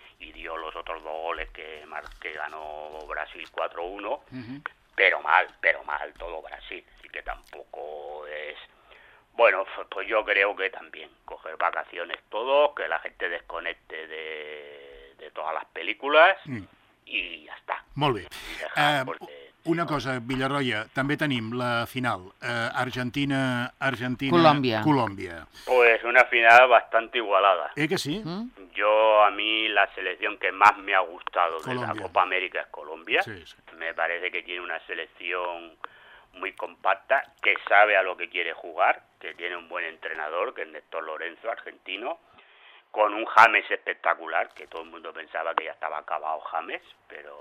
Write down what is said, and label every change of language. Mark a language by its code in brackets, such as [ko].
[es] y dio los otros dos goles que ganó Brasil 4-1, pero mal, todo Brasil. Así que tampoco es... Bueno, pues yo creo que también coger vacaciones todos, que la gente desconecte de todas las películas y ya está. [ca] Molt bé. Una cosa, Villarroya, també tenim la final, Argentina-Colòmbia. [es] Pues una final bastante igualada. [ca] ¿Eh que sí? [es] Yo, a mí, la selección que más me ha gustado Colombia. De la Copa América es Colombia. Sí, sí. Me parece que tiene una selección muy compacta, que sabe a lo que quiere jugar, que tiene un buen entrenador, que es Néstor Lorenzo, argentino, con un James espectacular, que todo el mundo pensaba que ya estaba acabado James, pero...